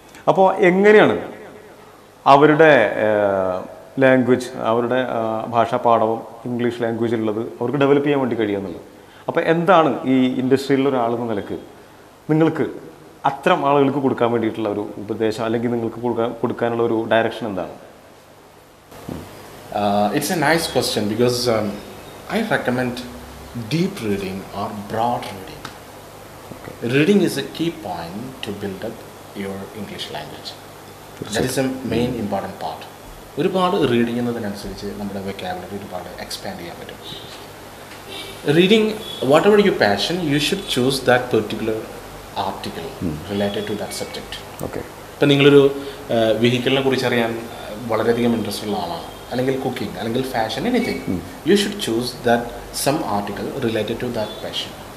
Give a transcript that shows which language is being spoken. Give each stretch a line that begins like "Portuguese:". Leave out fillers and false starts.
Malayalam: അപ്പോൾ എങ്ങനെയാണ് അവരുടെ ലാംഗ്വേജ്, അവരുടെ ഭാഷാ പാഠവും ഇംഗ്ലീഷ് ലാംഗ്വേജ് ഉള്ളത് അവർക്ക് ഡെവലപ്പ് ചെയ്യാൻ വേണ്ടി കഴിയുന്നുള്ളത്? അപ്പോൾ എന്താണ് ഈ ഇൻഡസ്ട്രിയിലൊരാളെന്ന നിലക്ക് നിങ്ങൾക്ക് അത്തരം ആളുകൾക്ക് കൊടുക്കാൻ വേണ്ടിയിട്ടുള്ള ഒരു ഉപദേശം, അല്ലെങ്കിൽ നിങ്ങൾക്ക് കൊടുക്കാനുള്ള ഒരു ഡയറക്ഷൻ എന്താണ്?
English: It's a nice question because I recommend deep reading or broad reading. Okay. Reading is a key point to build up your English language. That is a main important part.
Malayalam: ഒരു പാട് reading എന്നതിനനുസരിച്ച് നമ്മുടെ vocabulary ഒരുപാട് expand ചെയ്യാൻ പറ്റും.
English: Reading whatever you passion, you should choose that particular article related to that subject. Okay,
Malayalam: ഇപ്പം നിങ്ങളൊരു വെഹിക്കിളിനെ കുറിച്ച് അറിയാൻ വളരെയധികം ഇൻട്രസ്റ്റ് ഉള്ള ആളാണ്, അല്ലെങ്കിൽ കുക്കിംഗ്, അല്ലെങ്കിൽ fashion, anything,
English: You should choose that some article related to that passion.